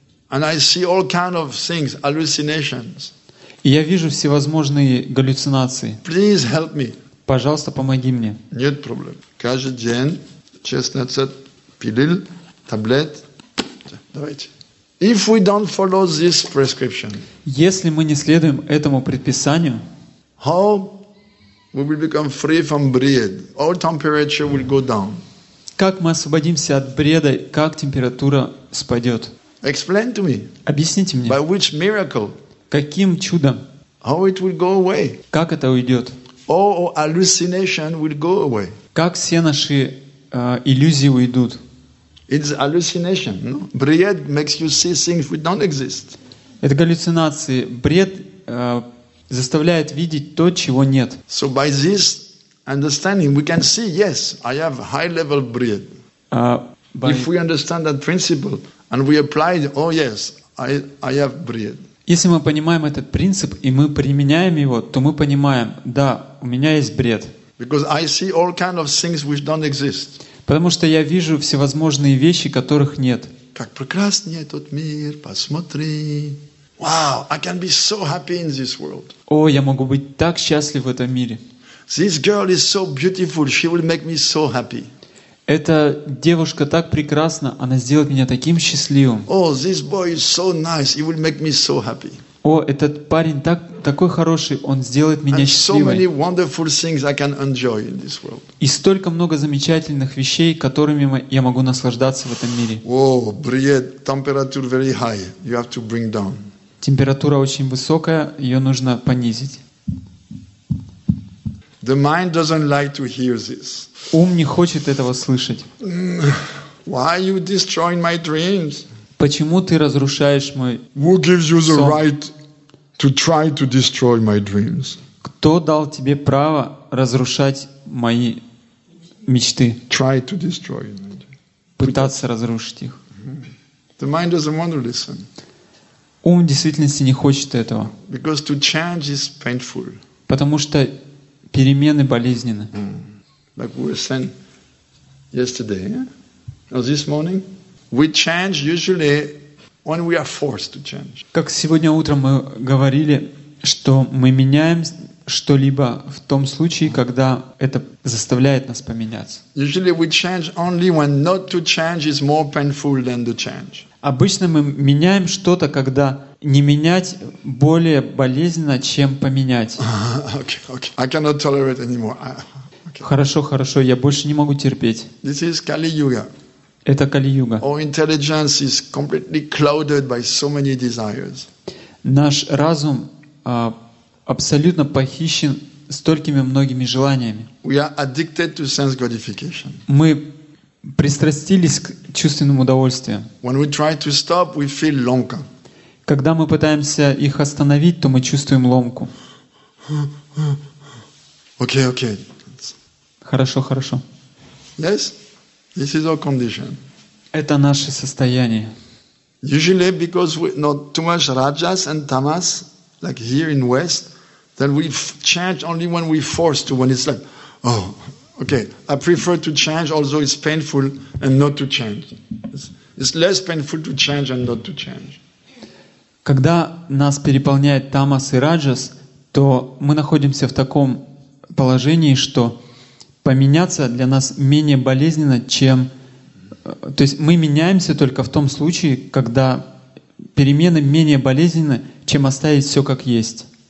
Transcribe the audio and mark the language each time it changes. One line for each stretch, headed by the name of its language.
English: And I see all kind of things, hallucinations.
Russian: И я вижу всевозможные галлюцинации.
English: Please help me.
Russian: Пожалуйста, помоги мне. Нет проблем. Каждый день 16 пилил, таблет. Давайте.
English: If we don't follow this prescription,
Russian: если мы не следуем этому предписанию,
English: how we will become free from bread? Our temperature will go down.
Russian: Как мы освободимся от бреда? Как температура спадет?
English: Explain to me.
Russian: Объясните мне.
English: By which miracle?
Russian: Каким чудом?
English: How it will go away?
Russian: Как это уйдет?
English: All hallucination will go away.
Russian: Как все наши иллюзии уйдут?
English: It's hallucination. No? Bread makes you see things which don't exist.
Russian: Это галлюцинации. Бред заставляет видеть то, чего нет.
English: So by this understanding, we can see, yes, I have high level bread. If we understand that principle and we apply it, oh yes, I have bread.
Russian: Если мы понимаем этот принцип и мы применяем его, то мы понимаем, да, у меня есть бред.
English: Because I see all kind of things which don't exist.
Russian: Потому что я вижу всевозможные вещи, которых нет. Как прекрасен этот мир, посмотри.
English: Wow, I can be so happy in this world.
Russian: О, я могу быть так счастлив в этом мире.
English: This girl is so beautiful, she will make me so happy.
Russian: Эта девушка так прекрасна, она сделает меня таким счастливым.
English: Oh, this boy is so nice, he will make me so happy.
Russian: О, этот парень такой хороший, он сделает меня счастливым.
English: And so many wonderful things I can enjoy in this world.
Russian: И столько много замечательных вещей, которыми я могу наслаждаться в этом мире.
English: Oh, bread, temperature very high, you have to bring down.
Russian: Температура очень высокая, ее нужно понизить.
English: The mind doesn't like to hear this.
Russian: Ум не хочет этого слышать.
English: Why you destroying my dreams?
Russian: Почему ты разрушаешь мой сон?
English: Who gives you the right to try to destroy my dreams?
Russian: Кто дал тебе право разрушать мои мечты?
English: Try to destroy.
Russian: Пытаться разрушить их.
English: The mind doesn't want to listen.
Russian: Ум в действительности не хочет этого.
English: Because to change is painful.
Russian: Потому что перемены болезненны.
English: Like we were saying yesterday, or this morning, we change usually when we are forced to change.
Russian: Как сегодня утром мы говорили, что мы меняем что-либо в том случае, когда это заставляет нас поменяться.
English: Usually we change only when not to change is more painful than the change.
Russian: Обычно мы меняем что-то, когда не менять более болезненно, чем поменять.
English: Okay. I cannot tolerate anymore.
Russian: Хорошо, хорошо, я больше не могу терпеть.
English: This is Kali-Yuga.
Russian: Это Кали-Юга.
English: Our intelligence is completely clouded by so many desires.
Russian: Наш разум абсолютно похищен столькими многими желаниями.
English: We are addicted to sense gratification.
Russian: Мы пристрастились к чувственным удовольствиям.
English: When we try to stop, we feel
Russian: ломка. Когда мы пытаемся их остановить, то мы чувствуем ломку.
English: Okay, okay.
Russian: Хорошо, хорошо.
English: Yes, this is our condition.
Russian: Это наше состояние.
English: Usually, because we not too much rajas and tamas, like here in West, then we change only when we force to. When it's like, oh, okay, I prefer to change, although it's painful, and not to change. It's less painful to change and not to change.
Russian: Когда нас переполняет тамас и раджас, то мы находимся в таком положении, что поменяться для нас менее болезненно, чем... То есть мы меняемся только в том случае, когда перемены менее болезненны, чем оставить все как есть.